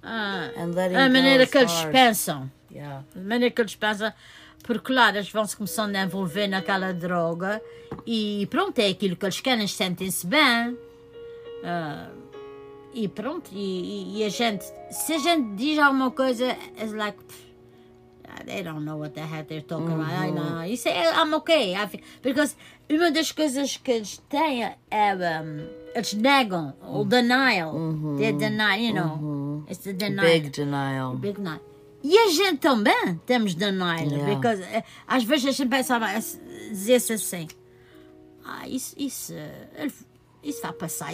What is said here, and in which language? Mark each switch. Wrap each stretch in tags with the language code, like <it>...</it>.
<en>And letting go.</en> <pt>A maneira que eles pensam.</pt> <en>Yeah.</en> <pt>A maneira que eles pensam. Porque, claro, eles vão se começando a envolver naquela droga. E pronto, é aquilo que eles querem, sentem-se bem. E pronto. E a gente. Se a gente diz alguma coisa, é like.</pt> <en>Pff, they don't know what the heck they're talking mm-hmm. about. I know. You say, I'm okay. Because.</en> <pt>Uma das coisas que eles têm é eles negam o denial. Mm-hmm.</pt> <en>They deny, you know. Mm-hmm. It's the denial. Big denial. Big denial.</en> <pt>E a gente também temos denial.</pt> <en>Yeah. Because</en> <pt>às vezes a gente pensava, dizia-se assim: ah, isso vai passar.</pt>